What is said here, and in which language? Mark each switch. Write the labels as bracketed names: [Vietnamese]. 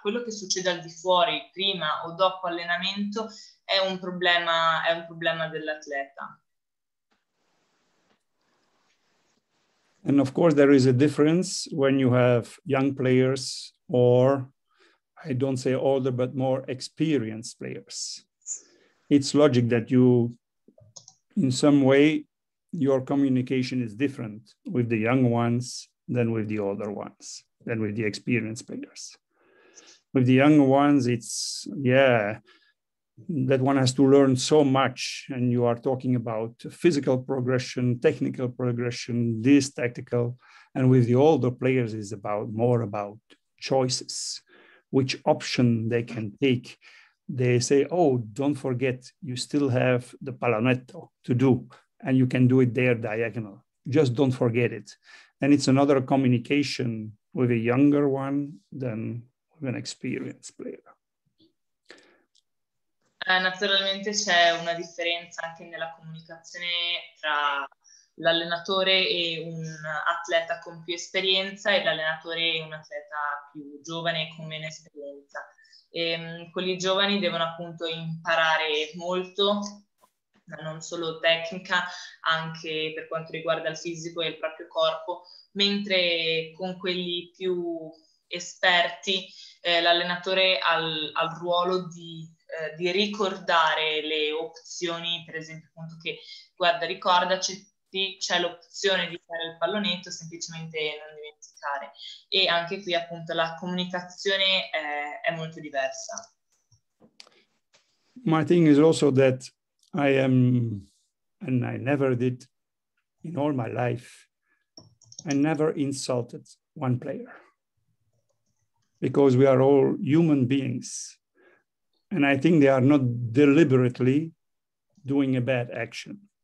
[Italian] Quello che succede al di fuori, prima o dopo allenamento, è un problema dell'atleta. [English] And of course there is a difference when you have young players, or I don't say older but more experienced players. It's logic that you, in some way, your communication is different with the young ones than with the older ones, than with the experienced players. With the young ones, it's, yeah, that one has to learn so much, and you are talking about physical progression, technical progression, this tactical, and with the older players is about more about choices, which option they can take. They say, oh, don't forget, you still have the pallonetto to do, and you can do it there diagonal. Just don't forget it. And it's another communication with a younger one than with an experienced player. [Italian] Naturalmente c'è una differenza anche nella comunicazione tra l'allenatore e un atleta con più esperienza e l'allenatore e un atleta più giovane con meno esperienza. Quelli giovani devono appunto imparare molto, non solo tecnica, anche per quanto riguarda il fisico e il proprio corpo, mentre con quelli più esperti l'allenatore ha il ruolo di ricordare le opzioni, per esempio appunto che guarda, ricordaci, c'è l'opzione di fare il pallonetto, semplicemente non dimenticare. E anche qui appunto la comunicazione è molto diversa. [English] My thing is also that I am, and I never did in all my life, I never insulted one player. Because we are all human beings. And I think they are not deliberately doing a bad action.